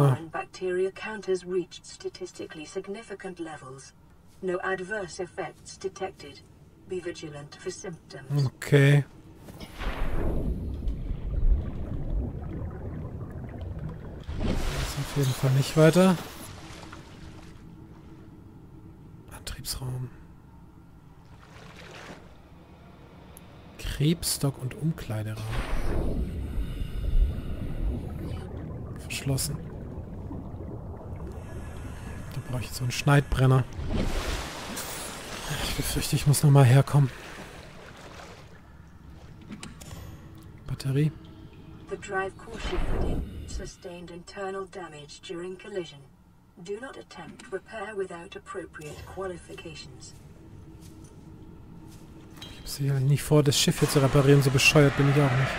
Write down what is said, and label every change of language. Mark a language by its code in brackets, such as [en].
[en] Bacteria counters reached statistically significant levels. No adverse effects detected. Be vigilant for symptoms. Okay. [de] Auf jeden Fall nicht weiter. Antriebsraum. Krebsstock und Umkleideraum. Verschlossen. Da brauche ich so einen Schneidbrenner. Ich befürchte, ich muss nochmal herkommen. Batterie. [en] The drive caution fitting sustained internal damage during collision. Do not attempt repair without appropriate qualifications. [de] Ich habe sicherlich nicht vor, das Schiff hier zu reparieren. So bescheuert bin ich auch nicht.